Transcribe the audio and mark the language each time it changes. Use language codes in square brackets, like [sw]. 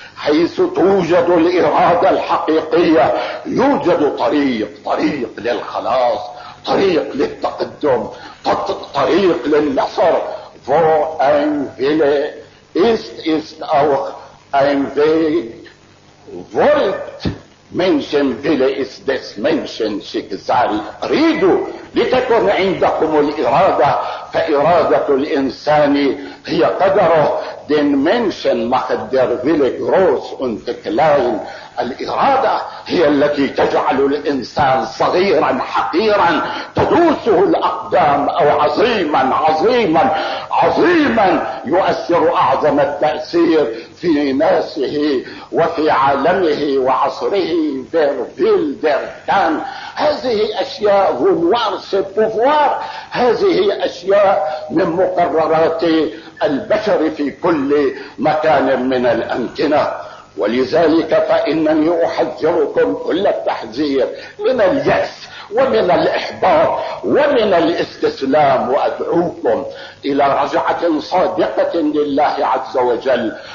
[ar] حيث توجد الإرادة الحقيقية يوجد طريق للخلاص، طريق للتقدم، طريق للنصر. [de] Wo ein Wille ist, ist auch ein Weg. Wollt Menschen, Wille ist des Menschen Schicksal. [ar] ريدوا لتكن عندكم الإرادة، فإرادة الإنسان هي قدره. [de] Den Menschen macht der Wille groß und klein. [ar] الإرادة هي التي تجعل الإنسان صغيرا حقيرا تدوسه الأقدام، أو عظيما يؤثر أعظم التأثير في ناسه وفي عالمه وعصره. [de] Der Wille, der kann. [ar] هذه أشياء [fr] vouloir, c'est pouvoir. [ar] هذه أشياء من مقررات البشر في كل مكان من الأمكنة. ولذلك فإنني أحذركم كل التحذير من اليأس ومن الإحباط ومن الاستسلام، وأدعوكم إلى رجعة صادقة لله عز وجل.